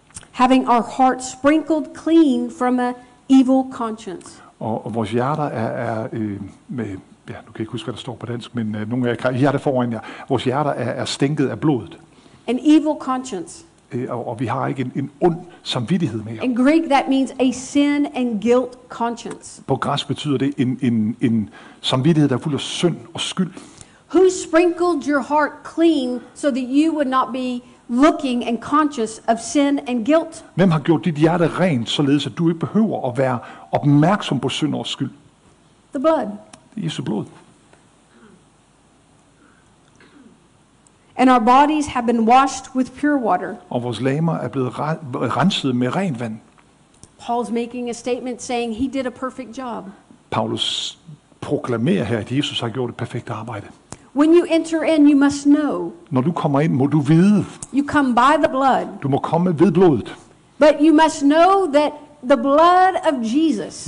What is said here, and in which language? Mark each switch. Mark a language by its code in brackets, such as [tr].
[en] Having our hearts sprinkled clean from a evil conscience. [da] Og vores hjerter er med, ja, nu kan jeg ikke huske, hvad der står på dansk, men nogle af jer hjerte foran jer. Vores hjerter er stænket af blodet. [en] An evil conscience. [da] Og vi har ikke en ond samvittighed mere. [en] In Greek, that means a sin and guilt conscience. [da] På græsk betyder det en samvittighed, der er fuld af synd og skyld. [en] Who sprinkled your heart clean so that you would not be looking and conscious of sin and guilt? [da] Hvem har gjort dit hjerte rent, således at du ikke behøver at være opmærksom på synd og skyld? [en] The blood. [da] Det er Jesu blod. [en] And our bodies have been washed with pure water. [da] Og vores lemmer er blevet renset med rent vand. [en] Paul's making a statement saying he did a perfect job. [da] Paulus proklamerer her, at Jesus har gjort et perfekt arbejde. [en] When you enter in, you must know. [da] Når du kommer ind, må du vide. [en] You come by the blood. [da] Du må komme ved blodet. [en] But you must know that the blood of Jesus.